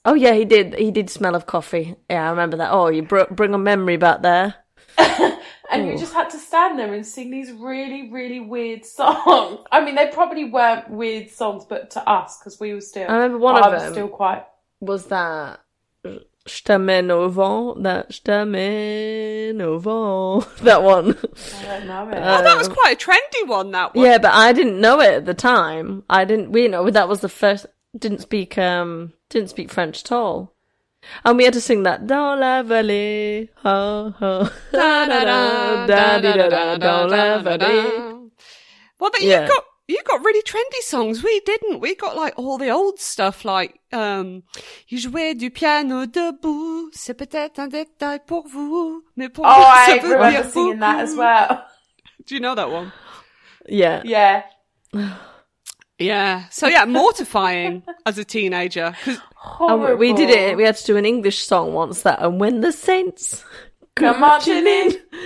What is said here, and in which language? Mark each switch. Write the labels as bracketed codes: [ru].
[en] Oh, yeah, he did. He did smell of coffee. Yeah, I remember that. Oh, you bring a memory back there. And ooh, you just had to stand there and sing these really, really weird songs. I mean, they probably weren't weird songs, but to us, because we were still... I remember one of them was, still quite... was that... [fr] Je t'emmène au vent, [en] that [fr] je t'emmène au vent. [en] That one. I don't know it. Oh, that was quite a trendy one, that one. Yeah, but I didn't know it at the time. I didn't... We, you know, that was the first... didn't speak French at all. And we had to sing that. [fr] Dans la vallée, [en] ho, ho. Da-da-da-da-da-da-da-da, [fr] dans la vallée. [en] Well, but yeah, you got really trendy songs. We didn't. We got, like, all the old stuff, like, [fr] Il jouait du piano debout, c'est peut-être un détail pour vous, mais pour vous, ça veut dire beaucoup. [en] Oh, I remember singing that as well. Do you know that one? Yeah. Yeah. Yeah. So, yeah, mortifying as a teenager. Horrible. We did it. We had to do an English song once, that, and when the saints go marching in.